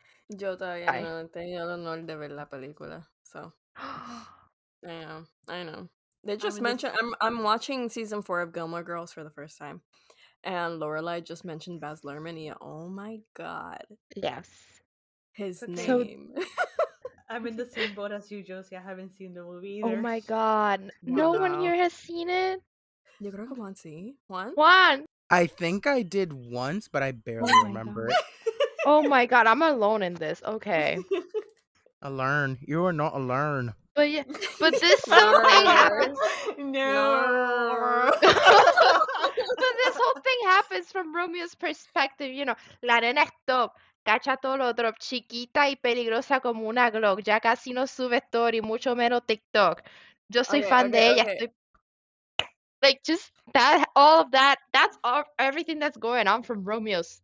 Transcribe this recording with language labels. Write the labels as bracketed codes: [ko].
[es] Yo todavía no he tenido el honor de ver la película. [en] So. I know. They just mentioned, I'm watching season 4 of Gilmore Girls for the first time. And Lorelai just mentioned Baz Luhrmann. Yeah, oh my God. Yes. His name. I'm in the same boat as you, Josie. I haven't seen the movie either. Oh my God. No one here has seen it? [es] Yo creo que Juan sí. Juan? Juan! [en] I think I did once, but I barely remember it. Oh my God, I'm alone in this. Okay. Alone. You are not alone. But yeah, but this whole thing happens. No. So this whole thing happens from Romeo's perspective, you know. [es] La nena es top. Cacha todo lo drop. Chiquita y peligrosa como una Glock. Ya casi no sube story, mucho menos TikTok. Yo soy fan de ella. [en] Like, just that, all of that, that's all, everything that's going on from Romeo's.